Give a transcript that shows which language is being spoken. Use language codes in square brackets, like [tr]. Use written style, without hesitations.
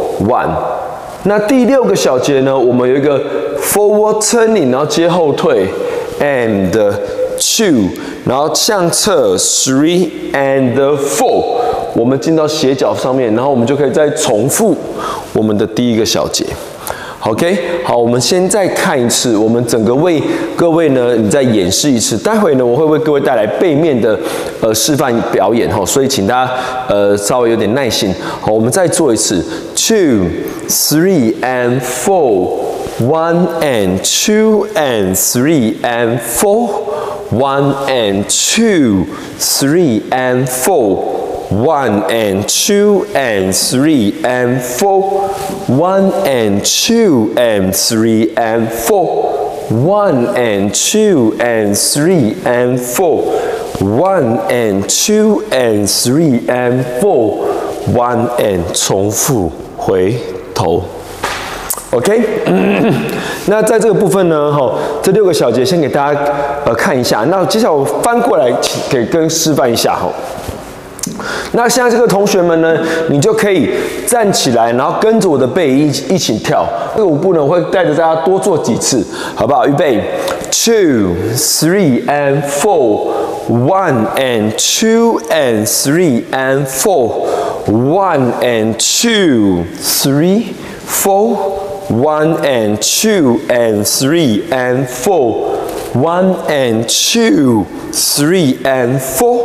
[en] One， [zh] 那第六个小节呢？我们有一个 [en] forward turning， [zh] 然后接后退 ， [en] and two， [zh] 然后向侧 [en] three and four， [zh] 我们进到斜角上面，然后我们就可以再重复我们的第一个小节。 OK， 好，我们先再看一次，我们整个为各位呢，你再演示一次。待会呢，我会为各位带来背面的示范表演哈，所以请大家稍微有点耐心。好，我们再做一次 [en] ，two three and four， one and two and three and four， one and two three and four。 One and two and three and four. One and two and three and four. One and two and three and four. One and two and three and four. One and [zh] 重复回头。 OK， 那在这个部分呢，这六个小节先给大家看一下。那接下来我翻过来给跟示范一下哈。那现在这个同学们呢，你就可以站起来，然后跟着我的背一起跳。这个舞步呢，我会带着大家多做几次，好不好？预备 [en] ，two three and four， one and two and three and four， one and two three four， one and two and three and four， one and two three and four。